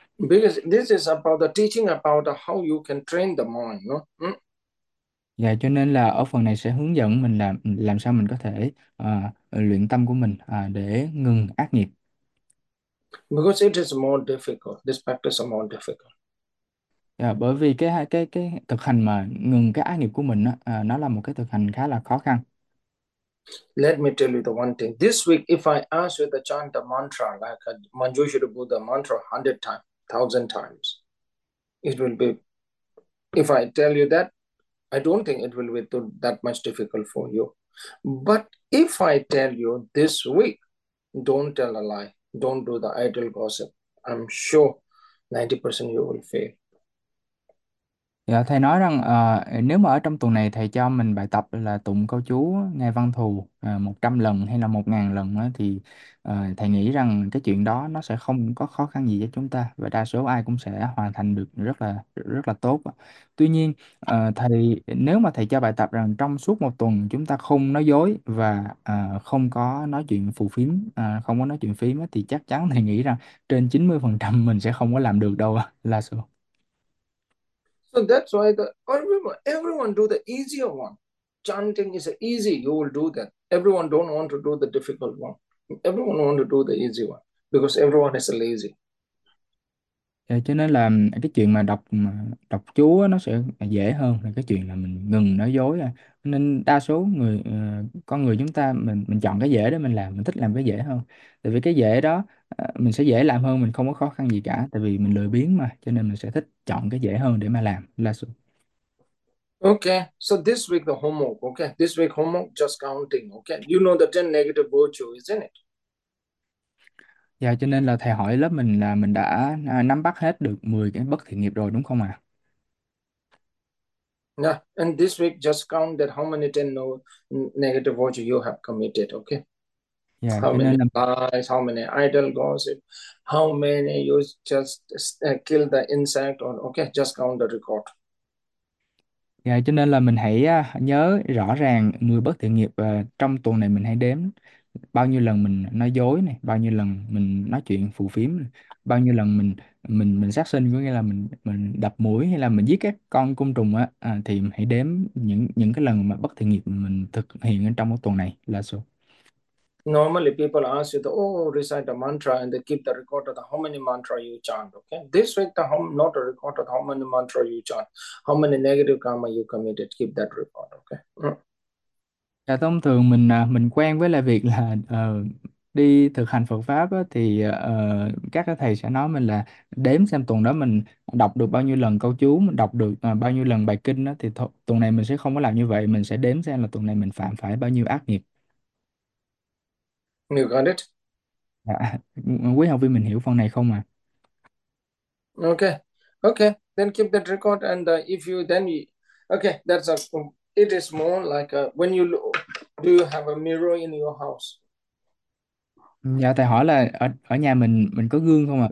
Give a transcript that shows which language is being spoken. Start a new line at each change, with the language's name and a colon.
English: Because this is about the teaching about how you can train the mind, no?
Vietnamese: Dạ, cho nên là ở phần này sẽ hướng dẫn mình làm sao mình có thể luyện tâm của mình để ngừng ác nghiệp.
English: Because it is more difficult, this practice is more difficult.
Vietnamese: Dạ, bởi vì cái thực hành mà ngừng cái ác nghiệp của mình nó là một cái thực hành khá là khó khăn.
English: Let me tell you the one thing. This week, if I ask you to chant a mantra, like a Manjushri Buddha mantra 100 times, 1,000 times, it will be, if I tell you that, I don't think it will be too, that much difficult for you. But if I tell you this week, don't tell a lie, don't do the idle gossip, I'm sure 90% you will fail.
Vietnamese: Dạ, thầy nói rằng nếu mà ở trong tuần này thầy cho mình bài tập là tụng câu chú Ngài Văn Thù 100 lần hay là 1.000 lần thì thầy nghĩ rằng cái chuyện đó nó sẽ không có khó khăn gì cho chúng ta và đa số ai cũng sẽ hoàn thành được rất là tốt. Tuy nhiên thầy nếu mà thầy cho bài tập rằng trong suốt một tuần chúng ta không nói dối và không có nói chuyện phù phiếm, không có nói chuyện phím thì chắc chắn thầy nghĩ rằng trên 90% mình sẽ không có làm được đâu là số.
English: So that's why the everyone do the easier one. Chanting is easy, you will do that. Everyone don't want to do the difficult one. Everyone want to do the easy one because everyone is lazy.
Vietnamese: Cho nên là cái chuyện mà đọc đọc chú nó sẽ dễ hơn là cái chuyện là mình ngừng nói dối, nên đa số người con người chúng ta mình chọn cái dễ đó mình làm, mình thích làm cái dễ hơn tại vì cái dễ đó mình sẽ dễ làm hơn, mình không có khó khăn gì cả tại vì mình lười biếng mà, cho nên mình sẽ thích chọn cái dễ hơn để mà làm là số.
English: Okay, so this week the homework, okay? This week homework, just counting, okay? You know the 10 negative virtue, isn't it?
Vietnamese: Dạ, cho nên là thầy hỏi lớp mình là mình đã nắm bắt hết được 10 cái bất thiện nghiệp rồi đúng không ạ?
English: Yeah, and this week just count that how many 10 no negative virtue you have committed, okay?
Vietnamese: Dạ,
English: How
Vietnamese: cho nên
English: many
Vietnamese: là
English: lies, how many idle gossip, how many you just kill the insect or okay, just count the record.
Vietnamese: dạ, cho nên là mình hãy nhớ rõ ràng 10 bất thiện nghiệp trong tuần này mình hãy đếm. Bao nhiêu lần mình nói dối này, bao nhiêu lần mình nói chuyện phù phiếm, bao nhiêu lần mình sát sinh, có nghĩa là mình đập muỗi hay là mình giết các con côn trùng á, thì hãy đếm những cái lần mà bất thiện nghiệp mình thực hiện ở trong một tuần này là số.
English: Normally, people ask you to recite the mantra and they keep the record of the how many mantra you chant. Okay, this week the home not a record of how many mantra you chant, how many negative karma you committed. Keep that record. Okay.
Vietnamese: Dạ, thông thường mình quen với lại việc là đi thực hành Phật pháp á, thì các thầy sẽ nói mình là đếm xem tuần đó mình đọc được bao nhiêu lần câu chú, mình đọc được bao nhiêu lần bài kinh đó, thì tuần này mình sẽ không có làm như vậy, mình sẽ đếm xem là tuần này mình phạm phải bao nhiêu ác nghiệp.
English: You got it?
Vietnamese: Dạ, quý học viên mình hiểu phần này không ạ? À?
English: Okay. Then keep that record, and if you then you, okay, that's a. It is more like a, when you look, do you have a mirror in your house?
Vietnamese: Dạ, thầy hỏi là ở ở nhà mình có gương không ạ? À?